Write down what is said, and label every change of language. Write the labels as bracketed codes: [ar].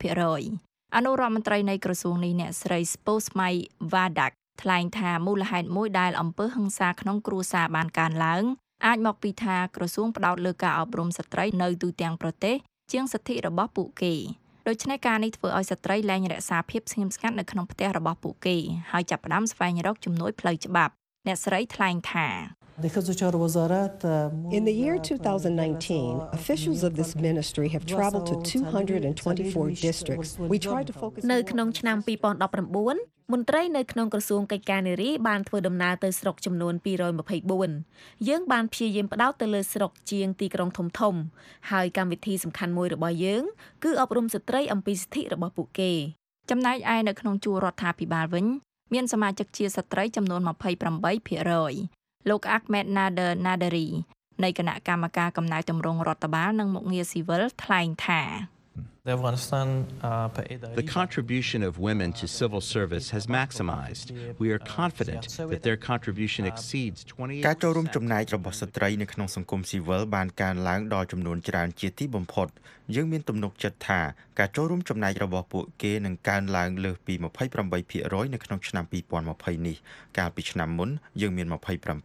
[km] 1% អនុរដ្ឋមន្ត្រីនៃក្រសួងនេះអ្នកស្រីស្ពូស្មៃវ៉ាដាក់ថ្លែងថាមូលហេតុមួយដែលអំពើហិង្សាក្នុងគ្រួសារបានកើនឡើងអាចមកពីថាក្រសួងផ្តោតលើការអប់រំស្ត្រីនៅទូទាំងប្រទេសជាងសិទ្ធិរបស់ពួកគេដូច្នេះការនេះធ្វើឲ្យស្ត្រីលែងរក្សាភាពស្ងៀមស្ងាត់នៅក្នុងផ្ទះរបស់ពួកគេហើយចាប់ផ្តើមស្វែងរកជំនួយផ្លូវច្បាប់អ្នកស្រីថ្លែងថា [en] In the year 2019, officials of this ministry have traveled to 224 districts. We tried to focus [km] នៅក្នុងឆ្នាំ2019មន្ត្រីនៅក្នុងក្រសួងកិច្ចការនារីបានធ្វើដំណើរទៅស្រុកចំនួន224យើងបានព្យាយាមផ្តោតទៅលើស្រុកជាងទីក្រុងធំធំហើយកម្មវិធីសំខាន់មួយរបស់យើងគឺអប់រំស្ត្រីអំពីសិទ្ធិរបស់ពួកគេចំណែកឯនៅក្នុងជួររដ្ឋាភិបាលវិញមានសមាជិកជាស្ត្រីចំនួន 28% លោកអាក់មេតណាដឺណាដារីនៃគណៈកម្មការកំណែទម្រង់រដ្ឋបាលនិងមុខងារស៊ីវិលថ្លែងថា [en] The contribution of women to civil service has maximized. We are confident that their contribution exceeds 28%. [km] ការចូលរួមចំណែករបស់ស្ត្រីនៅក្នុងសង្គមស៊ីវិលបានកើនឡើងដល់ចំនួនច្រើនជាទីបំផុតយើងមានទំនុកចិត្តថាការចូលរួមចំណែករបស់ពួកគេនឹងកើនឡើងលើសពី 28% នៅក្នុងឆ្នាំ2020នេះកាលពីឆ្នាំមុនយើងមាន 27%